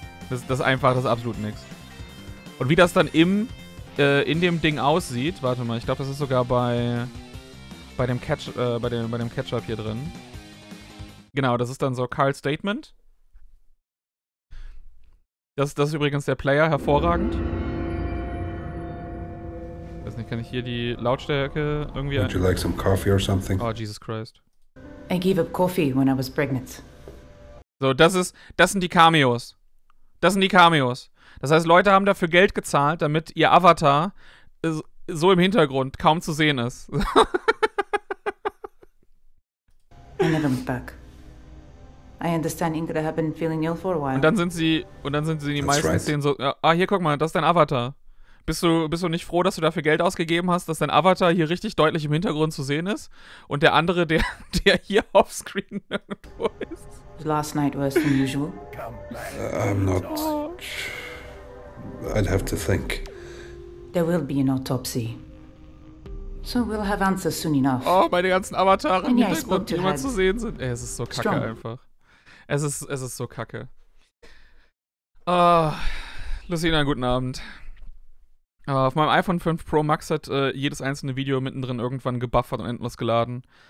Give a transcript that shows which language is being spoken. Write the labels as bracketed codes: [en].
[de] Das ist absolut nix. Und wie das dann in dem Ding aussieht, warte mal, ich glaube, das ist sogar bei dem Ketchup hier drin. Genau, das ist dann so Karl's Statement. Das ist übrigens der Player, hervorragend. Ich weiß nicht, kann ich hier die Lautstärke irgendwie... [en] Would you like some coffee or something? Oh, Jesus Christ. I gave up coffee when I was pregnant. [de] So, das sind die Cameos. Das sind die Cameos. Das heißt, Leute haben dafür Geld gezahlt, damit ihr Avatar so im Hintergrund kaum zu sehen ist. [en] I never went back. I understand, Ingrid, I have been feeling ill for a while. [de] Und dann sind sie in die meisten right. Szenen so, ah, hier, guck mal, das ist dein Avatar. Bist du nicht froh, dass du dafür Geld ausgegeben hast, dass dein Avatar hier richtig deutlich im Hintergrund zu sehen ist und der andere, der hier offscreen irgendwo ist? [en] Last night worse than usual. I'm not... I'd have to think. There will be an autopsy. So we'll have answers soon enough. [de] Oh, meine ganzen Avatare im Hintergrund, die immer zu sehen sind. Ey, es ist so kacke strong. Einfach. Es ist so kacke. Oh, Lucina, guten Abend. Auf meinem iPhone 5 Pro Max hat jedes einzelne Video mittendrin irgendwann gebuffert und endlos geladen.